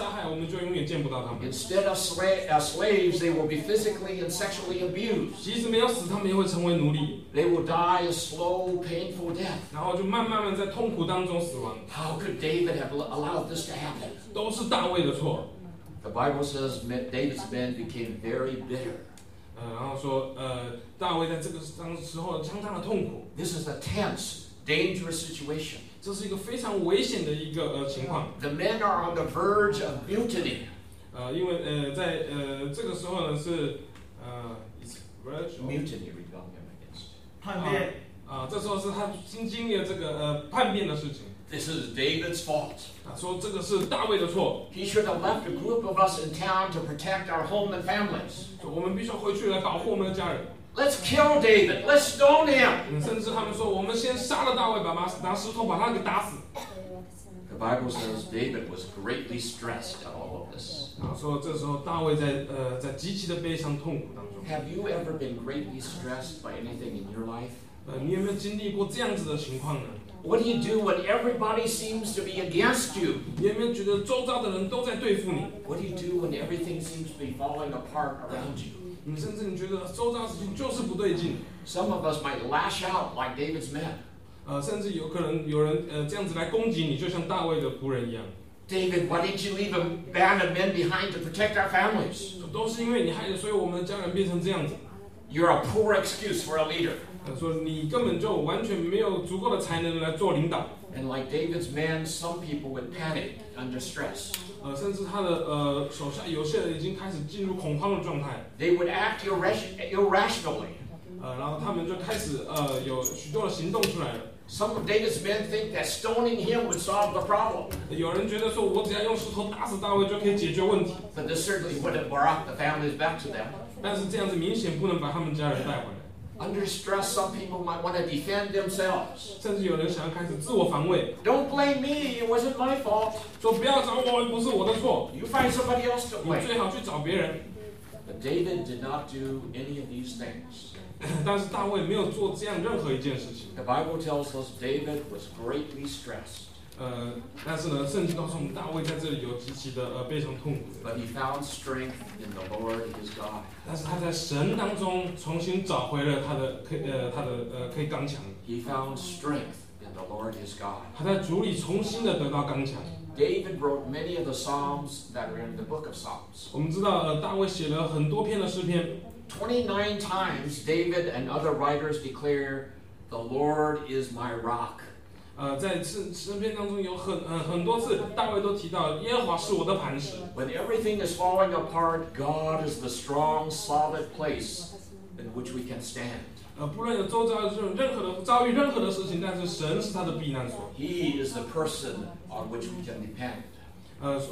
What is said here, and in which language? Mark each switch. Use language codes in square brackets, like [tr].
[en] Instead of slaves, they will be physically and sexually abused. They will die a slow, painful death. [zh] 然后就慢慢慢在痛苦当中死亡。 [en] How could David have allowed this to happen? [zh] 都是大卫的错。 [en] The Bible says David's men became very bitter. [zh] 然后说，大卫在这个当时候相当的痛苦。 [en] This is a tense, dangerous situation. [zh] 这是一个非常危险的一个情况。 [en] The men are on the verge of mutiny. [zh] 因为在这个时候呢是 [en] it's verge of mutiny rebellion against [zh] 叛变。这时候是他新经历了这个叛变的事情。 [en] This is David's fault. [zh] 说这个是大卫的错。 [en] He should have left a group of us in town to protect our home and families. [zh] 我们必须回去来保护我们的家人。 [en] Let's kill David. Let's stone him. [zh] 甚至他们说，我们先杀了大卫，拿石头把他给打死。 [en] The Bible says David was greatly stressed at all of this. [zh] 说这时候大卫在极其的悲伤痛苦当中。 [en] Have you ever been greatly stressed by anything in your life? [zh] 你有没有经历过这样子的情况呢？ [en] What do you do when everybody seems to be against you? [zh] 你有没有觉得周遭的人都在对付你？ [en] What do you do when everything seems to be falling apart around you? [zh] 你甚至你觉得周遭事情就是不对劲。 [en] Some of us might lash out like David's men. [zh] 甚至有可能有人这样子来攻击你，就像大卫的仆人一样。 [en] David, why did you leave a band of men behind to protect our families? [zh] 都是因为你害得所以我们的家人变成这样子。 [en] You're a poor excuse for a leader. [zh] 说你根本就完全没有足够的才能来做领导。 [en] And like David's men, some people would panic under stress. [zh] 甚至他的手下有些人已经开始进入恐慌的状态。 [en] They would act irrationally. [zh] 然后他们就开始有许多的行动出来了。 [en] Some of David's men think that stoning him would solve the problem. [zh] 有人觉得说我只要用石头打死大卫就可以解决问题。 [en] But this certainly wouldn't brought the families back to them. [zh] 但是这样子明显不能把他们家人带回来。 [en] Under stress, some people might want to defend themselves. [zh] 甚至有人想要开始自我防卫。 [en] Don't blame me, it wasn't my fault. [zh] 说不要找我，不是我的错。 [en] You find somebody else to blame. [zh] 你最好去找别人。 [en] But David did not do any of these things. [zh] 但是大卫没有做这样任何一件事情。 [en] The Bible tells us David was greatly stressed. [zh] 但是呢，圣经告诉我们，大卫在这里有极其的悲伤痛苦。 [en] But he found strength in the Lord his God. [zh] 但是他在神当中重新找回了他的可以刚强。 [en] He found strength in the Lord his God. [zh] 他在主里重新的得到刚强。 [en] David wrote many of the psalms that are in the book of Psalms. [zh] 我们知道大卫写了很多篇的诗篇。 [en] 29 times David and other writers declare, "The Lord is my rock." [zh] 在诗篇当中有很多次，大卫都提到耶和华是我的磐石。 [en] When everything is falling apart, God is the strong, solid place in which we can stand. [zh] 不论有周遭这种任何的遭遇任何的事情，但是神是他的避难所。 [en] He is the person on which we can depend.